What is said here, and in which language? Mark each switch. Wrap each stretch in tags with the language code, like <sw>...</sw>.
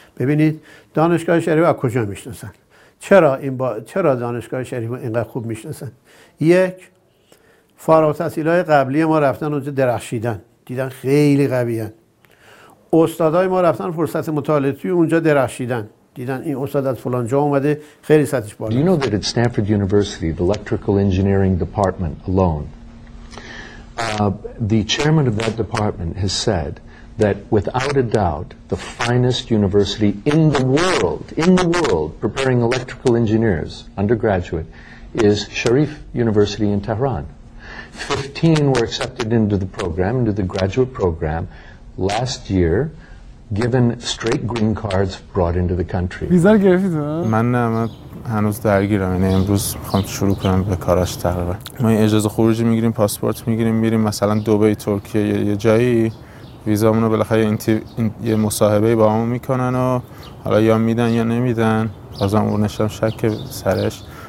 <fa>ببینید دانشگاه شریف از کجا میشناسن؟ چرا دانشگاه شریف اینقدر خوب میشناسن؟ یک، فارغ التحصیلای قبلی ما رفتن اونجا درخشیدن، دیدن خیلی قویان. استادای ما رفتن فرصت مطالعه توی اونجا درخشیدن، دیدن این استاد از فلان جا اومده خیلی سطحش بالا.</fa> <en>You know that at Stanford University, the electrical engineering department alone, the chairman of that department has said that without a doubt the finest university in the world preparing electrical engineers undergraduate is Sharif University in Tehran. 15 were accepted into the program, into the graduate program last year, given straight green cards brought into the country.</en> <fa>ویزار گرفتید؟ من هنوز درگیرم، یعنی امروز میخوام شروع کنم به کاراش. تقریبا ما اجازه خروجی میگیریم، پاسپورت میگیریم، میریم مثلا دبی، ترکیه، یه جایی ویزامونو بالاخره یه مصاحبه با هم میکنن و حالا یا میدن یا نمیدن، بازم اون نشم شک سرش.</fa>